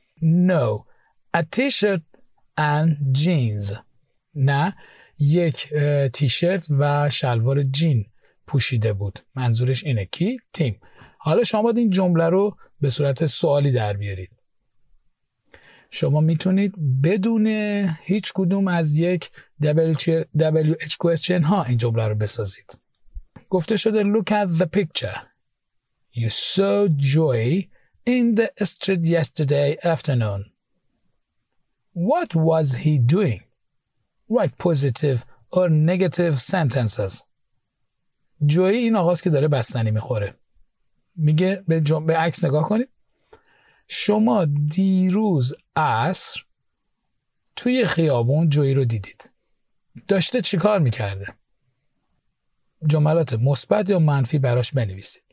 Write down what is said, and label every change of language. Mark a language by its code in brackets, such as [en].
[fa] نو [en] a t-shirt and jeans، [fa] نه یک تیشرت و شلوار جین پوشیده بود. منظورش اینه کی؟ تیم. حالا شما باید این جمله رو به صورت سوالی در بیارید. شما میتونید بدون هیچ کدوم از یک WH question ها این جمله رو بسازید. گفته شده [en] look at the picture، you saw joy in the street yesterday afternoon، what was he doing؟ write positive or negative sentences. [fa] جوی این آقاست که داره بستنی میخوره، میگه به عکس نگاه کنید. شما دیروز عصر توی خیابون جوی رو دیدید، داشته چیکار میکرده؟ جملات مثبت یا منفی براش بنویسید.